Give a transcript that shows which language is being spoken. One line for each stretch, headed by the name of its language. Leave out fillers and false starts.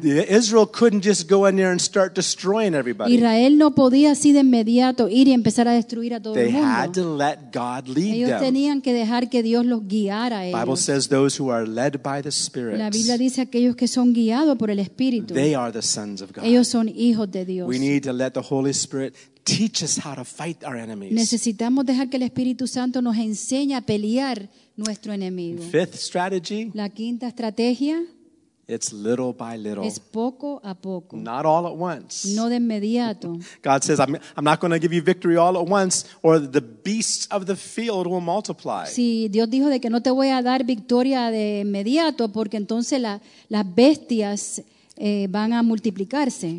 English: Israel couldn't just go in there and start destroying everybody.
Spanish: Israel no podía así de inmediato ir y empezar a destruir a todo
English: they
Spanish: el mundo.
English: They had to let God lead
Spanish: ellos
English: them.
Spanish: Tenían que dejar que Dios los guiara a ellos.
English: Bible says those who are led by the Spirit.
Spanish: La Biblia dice aquellos que son guiados por el Espíritu.
English: They are the sons of God.
Spanish: Ellos son hijos de Dios.
English: We need to let the Holy Spirit teach us how to fight our enemies.
Spanish: Necesitamos dejar que el Espíritu Santo nos enseñe a pelear nuestro enemigo.
English: Fifth strategy.
Spanish: La quinta estrategia.
English: It's little by little.
Spanish: Es poco a poco.
English: Not all at once.
Spanish: No de inmediato.
English: God says, I'm not going to give you victory all at once, or the beasts of the field will multiply.
Spanish: Sí, Dios dijo de que no te voy a dar victoria de inmediato, porque entonces las bestias van a multiplicarse.